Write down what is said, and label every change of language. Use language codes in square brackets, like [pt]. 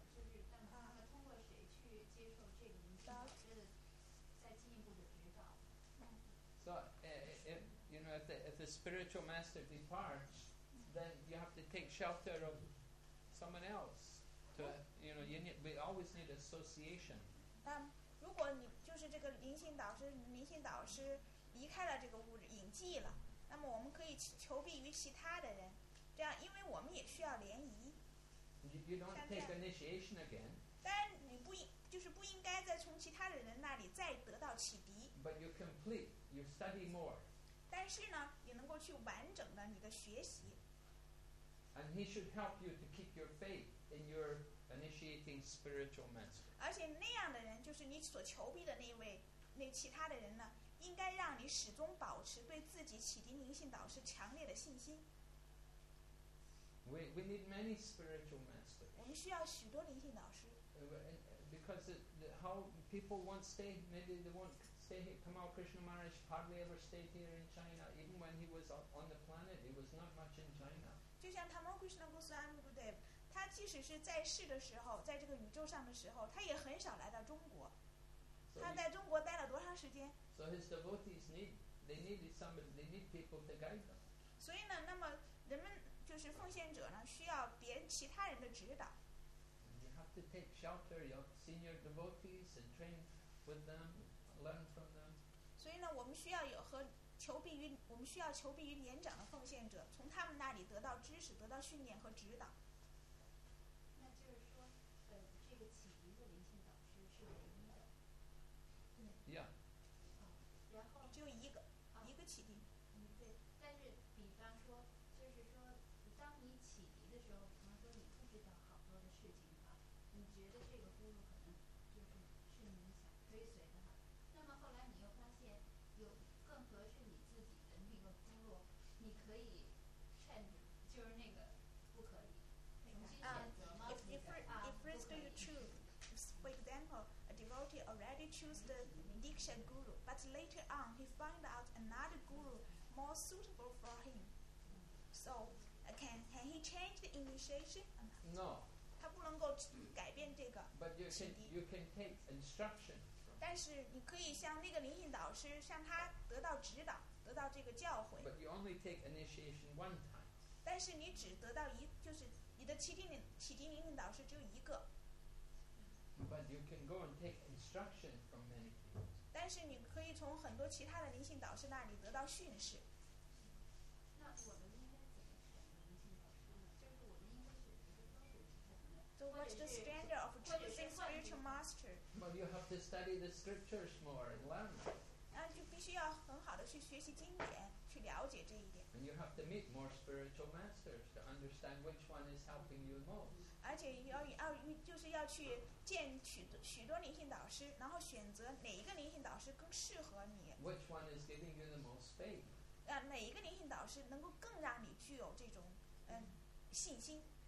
[zh] 接受这个聆听，是再进一步的指导。 [en] So if the spiritual master departs, then you have to take shelter of someone else. We always need association. [zh] 如果你就是这个灵性导师离开了这个物质隐迹了，那么我们可以求庇于其他的人，这样因为我们也需要联谊。 [en] You don't take initiation again. [zh] 但你不就是不应该再从其他人那里再得到启迪。 [en] But you complete, you study more. [zh] 但是呢，也能够去完整的你的学习。 [en] And he should help you to keep your faith in your initiating spiritual master. [zh] 而且那样的人，就是你所求庇的那位，那其他的人呢，应该让你始终保持对自己启迪灵性导师强烈的信心。 [en] We need many spiritual masters. [zh] 我们需要许多灵性导师。 [en] Because how people won't stay, maybe they won't stay here. Kamal Krishna Maharaj hardly ever stayed here in China. Even when he was on the planet, he was not much in China. [zh] 就像 Kamal Krishna Goswami Gurudev, 他即使是在世的时候，在这个宇宙上的时候，他也很少来到中国。他在中国待了多长时间？ [en] So his devotees need people to guide them. [zh] 所以呢，那么人们就是奉献者呢，需要别其他人的指导。 [en] To take shelter of senior devotees and train with them, learn from them. [zh] 所以呢，我们需要有和求庇于我们需要求庇于年长的奉献者，从他们那里得到知识、得到训练和指导。那就是说，这个启迪的灵性导师是唯一的。对。 [en] Yeah. [zh] 然后就一个启迪。嗯，对。但是，比方说，就是说，当你启迪的时候，比方说你不知道好多的事情。你觉得这个咕噜可能就是你想追随的哈，那么后来你又发现有更合适你自己的那个咕噜，你可以 change， 就是那个不可以重新选择吗？ [en] If first do you choose, for example, a devotee already choose the Diksha Guru, but later on he find out another guru more suitable for him. So can he change the initiation? No. [zh] 他不能够改变这个。 [en] But you can take instruction. [zh] 但是你可以向那个灵性导师，向他得到指导，得到这个教诲。 [en] But you only take initiation one time. [zh] 但是你只得到就是你的启迪灵性导师只有一个。 [en] But you can go and take instruction from many people. [zh] 但是你可以从很多其他的灵性导师那里得到训示。那我们应该怎么选灵性导师呢？就是我们应该选。 [en] So what's the standard of choosing spiritual master? Well, you have to study the scriptures more and learn. [zh] 然后就必须要很好的去学习经典，去了解这一点。 [en] And you have to meet more spiritual masters to understand which one is helping you most. [zh] 而且要就是要去见许多灵性导师，然后选择哪一个灵性导师更适合你。 [en] Which one is giving you the most faith? [zh] 哪一个灵性导师能够更让你具有这种信心？